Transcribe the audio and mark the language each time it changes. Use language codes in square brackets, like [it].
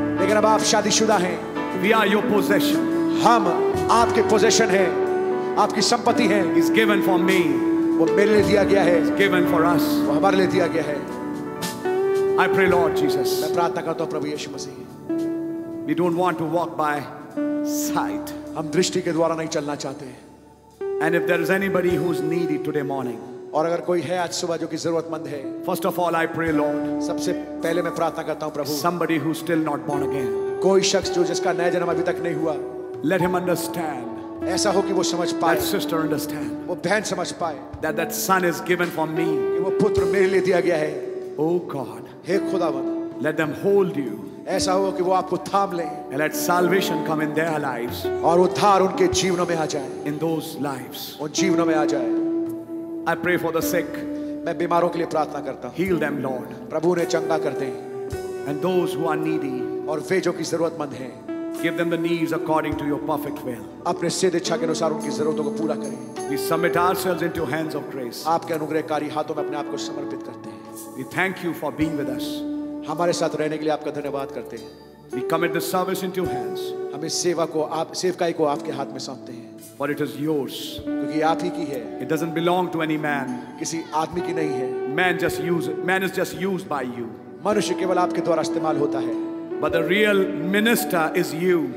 [hi] लेकिन अब आप शादीशुदा हैं. [en] We are your possession. [hi] हम आपके possession हैं. आपकी संपत्ति है. [en] He's given for me. [hi] वो मेरे लिए दिया गया है. [en] Given for us. [hi] वो हमारे लिए दिया गया है. [en] I pray, Lord Jesus. [hi] मैं प्रार्थना करता हूँ प्रभु यीशु मसीह. [en] We don't want to walk by sight. [hi] हम दृष्टि के द्वारा नहीं चलना चाहते. [en] And if there is anybody who's needy today morning. [hi] और अगर कोई है आज सुबह जो कि जरूरतमंद है. [en] First of all, I pray, Lord. [hi] सबसे पहले मैं प्रार्थना करता हूँ प्रभु. [en] Somebody who's still not born again. [hi] कोई शख्स जो जिसका नया जन्म अभी तक नहीं हुआ. [en] Let him understand. [hi] ऐसा हो कि वो समझ पाए. [en] That sister understand. [hi] वो बहन समझ पाए. [en] That son is given for me. [hi] कि वो पुत्र मेरे लिए दिया गया है. [en] Oh God. [hi] हे खुदावन. [en] Let them hold you. [hi] ऐसा हो कि वो आपको थाम ले. [en] And let salvation come in their lives. [hi] और उद्धार उनके जीवनों में आ जाए. [en] In those lives. [hi] उन जीवनों में आ जाए. [en] I pray for the sick. [hi] मैं बीमारों के लिए प्रार्थना करता हूँ. [en] Heal them, Lord. [hi] प्रभु उन्हें चंगा कर दे. [en] And those who are needy. [hi] और वे जो की जरूरतमंद हैं. [en] Give them the needs according to your perfect will. [hi] अपने सीधे इच्छा के अनुसार उनकी जरूरतों को पूरा करें. [en] We submit ourselves into your hands of grace. [hi] आपके अनुग्रहकारी हाथों में अपने आप को समर्पित करते हैं. [en] We thank you for being with us. [hi] हमारे साथ रहने के लिए आपका धन्यवाद करते हैं. [en] We commit the service into your hands. [hi] हम इस सेवा को आप सेवकाई को आपके हाथ में सौंपते हैं. [en] For it is yours. [hi] क्योंकि आप ही की है. [en] It doesn't belong to any man. [hi] किसी आदमी की नहीं है. [en] Man is just used by you. [hi] मनुष्य केवल आपके द्वारा इस्तेमाल होता है. [en] But the real minister is you.